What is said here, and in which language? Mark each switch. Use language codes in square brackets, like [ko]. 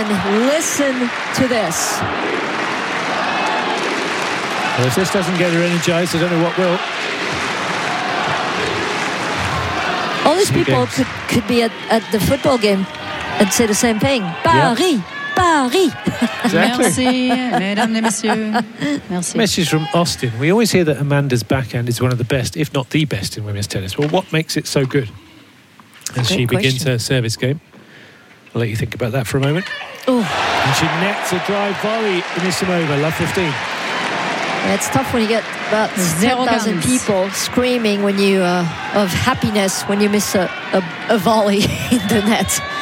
[en] And listen to this. Well, if this doesn't get her energized, I don't know what will. All these people could be at the football game and say the same thing. Paris, yep. Paris. Exactly. [fr] Merci, mesdames et messieurs. Merci. [en] Message from Austin. We always hear that Amanda's backhand is one of the best, if not the best, in women's tennis. Well, what makes it so good? As she begins her service game. I'll let you think about that for a moment. Ooh. And she nets a drive volley. Anisimova, love 15. Yeah, it's tough when you get about 10,000 people screaming when you of happiness when you miss a volley in the net.